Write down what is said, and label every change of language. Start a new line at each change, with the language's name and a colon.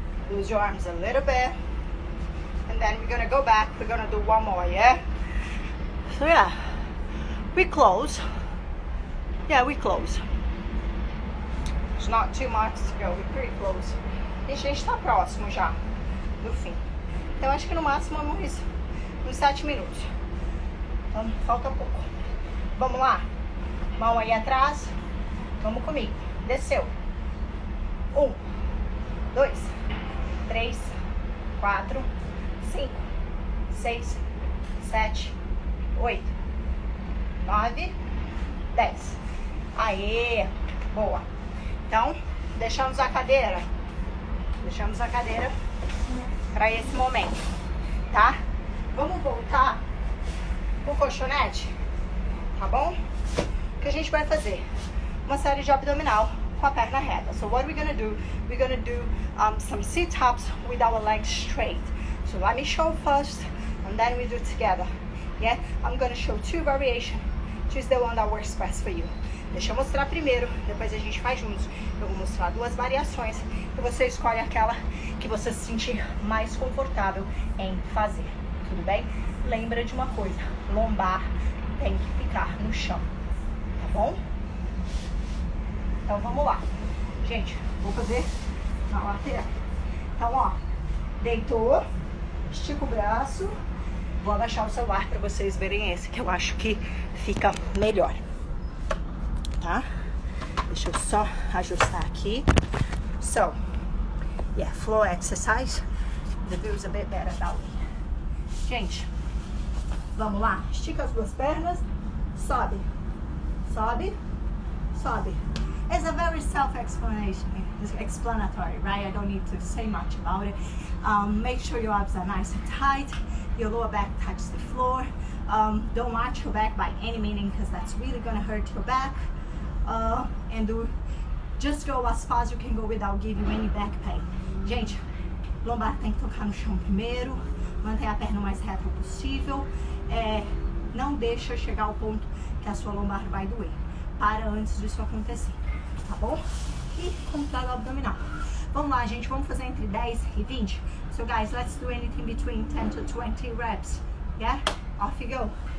English: Use your arms a little bit. And then we're gonna go back. We're gonna do one more, yeah? So yeah, we close. Yeah, we close. It's not too much to go, we're pretty close.
Portuguese: E a gente tá próximo já, do fim. Então acho que no máximo é mais uns 7 minutos. Então falta pouco. Vamos lá. Mão aí atrás. Vamos comigo. Desceu. 1, 2. 3, 4, 5, 6, 7, 8, 9, 10. Aê! Boa! Então, deixamos a cadeira. Deixamos a cadeira para esse momento, tá? Vamos voltar pro colchonete, tá bom? O que a gente vai fazer? Uma série de abdominal com a perna reta.
English: So, what are we gonna do? We're gonna do some sit-ups with our legs straight. So let me show first and then we do it together. Yeah? I'm gonna show two variations. Choose the one that works best for you.
Portuguese: Deixa eu mostrar primeiro, depois a gente faz juntos. Eu vou mostrar duas variações e você escolhe aquela que você se sentir mais confortável em fazer. Tudo bem? Lembra de uma coisa, lombar tem que ficar no chão. Tá bom? Então vamos lá. Gente, vou fazer na lateral. Então, ó, deitou, estica o braço, vou abaixar o celular pra vocês verem esse, que eu acho que fica melhor, tá? Deixa eu só ajustar aqui.
English: So, yeah, floor exercise, the view is a bit better that way.
Portuguese: Gente, vamos lá, estica as duas pernas, sobe, sobe, sobe.
English: It's a very self-explanatory, right? I don't need to say much about it. Make sure your abs are nice and tight. Your lower back touches the floor. Don't arch your back by any meaning because that's really going to hurt your back. And do just go as far as you can go without giving you any back pain.
Portuguese: Gente, lombar tem que tocar no chão primeiro, mantém a perna o mais reta possível, não deixa chegar ao ponto que a sua lombar vai doer. Para antes disso acontecer, tá bom? E contrário abdominal. Vamos lá, gente, vamos fazer entre 10 e 20.
English: So guys, let's do anything between 10 to 20 reps. Yeah? Off you go.